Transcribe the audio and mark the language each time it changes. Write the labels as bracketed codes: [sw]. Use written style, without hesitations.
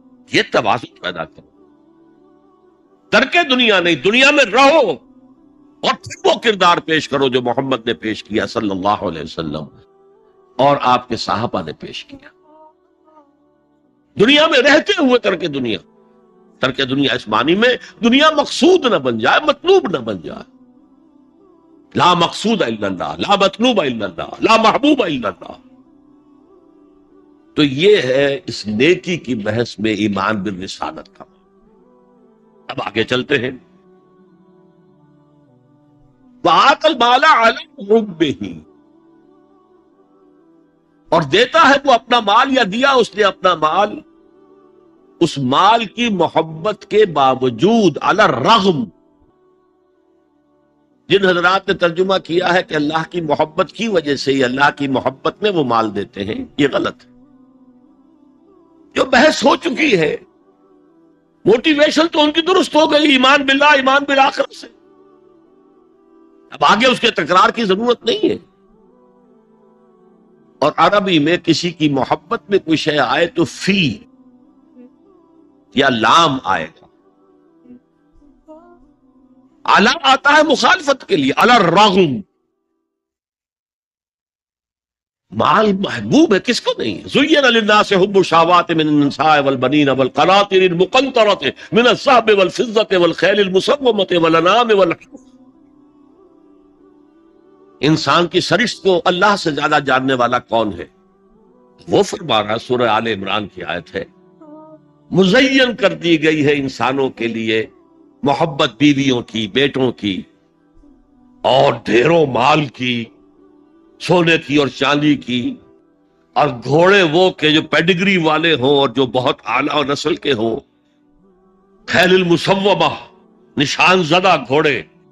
[ur] یہ توازن پیدا کرو, ترکے دنیا نہیں, دنیا میں رہو اور پھر وہ کردار پیش کرو جو محمد نے پیش کیا صلی اللہ علیہ وسلم اور آپ کے صحابہ نے پیش کیا. دنیا میں رہتے ہوئے ترکے دنیا, ترکے دنیا اس معنی میں دنیا مقصود نہ بن جائے, مطلوب نہ بن جائے. [ar] لا مقصود الا اللہ, لا مطلوب الا اللہ, لا محبوب الا اللہ. [ur] تو یہ ہے اس نیکی کی بحث میں ایمان بالرسالت کا. اب آگے چلتے ہیں, [ar] وآتى المال على حبه, [ur] اور دیتا ہے وہ اپنا مال, یا دیا اس نے اپنا مال اس مال کی محبت کے باوجود, [ar] علی رغم. [ur] جن حضرات نے ترجمہ کیا ہے کہ اللہ کی محبت کی وجہ سے, یہ اللہ کی محبت میں وہ مال دیتے ہیں, یہ غلط ہے. جو بحث ہو چکی ہے, موٹیویشن تو ان کی درست ہو گئی ایمان باللہ ایمان بالآخر سے, اب آگے اس کے تکرار کی ضرورت نہیں ہے. اور عربی میں کسی کی محبت میں کوئی شے آئے تو فی یا لام آئے گا. اعلی آتا ہے مخالفت کے لیے, [ar] اعلی رغم. [ur] مال محبوب ہے, کس کو نہیں. [ar] زین للناس حب الشهوات من النساء والبنين والقناطر المقنطرة من الذهب والفضة والخيل المسومة والانام والحرث. [ur] انسان کی سرشت کو اللہ سے زیادہ جاننے والا کون ہے؟ وہ فرما رہا سورہ آل عمران کی آیت ہے, مزین کر دی گئی ہے انسانوں کے لیے محبت بیویوں کی, بیٹوں کی, اور ڈھیروں مال کی, سونے کی اور چاندی کی, اور گھوڑے وہ کے جو پیڈگری والے ہوں اور جو بہت اعلیٰ نسل کے ہوں, خیل المسومہ نشان زدہ گھوڑے